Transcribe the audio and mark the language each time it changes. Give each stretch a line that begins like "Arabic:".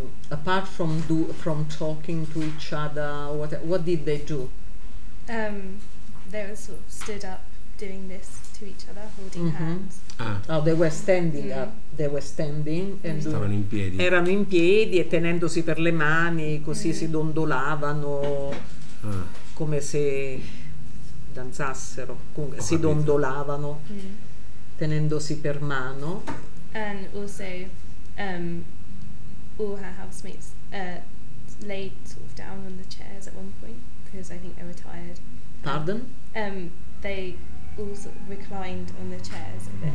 English: Apart from from talking to each other, what did they do? They were sort of stood up doing this to each other, holding hands. Oh, they were standing up. They were standing and
Italian: stavano in piedi. Erano in piedi e tenendosi per le mani, così si dondolavano come se danzassero. Comunque ho si capito. Dondolavano tenendosi per mano.
English: And also all her housemates laid sort of down on the chairs at one point because I think they were tired. Pardon? They also reclined on the chairs a bit.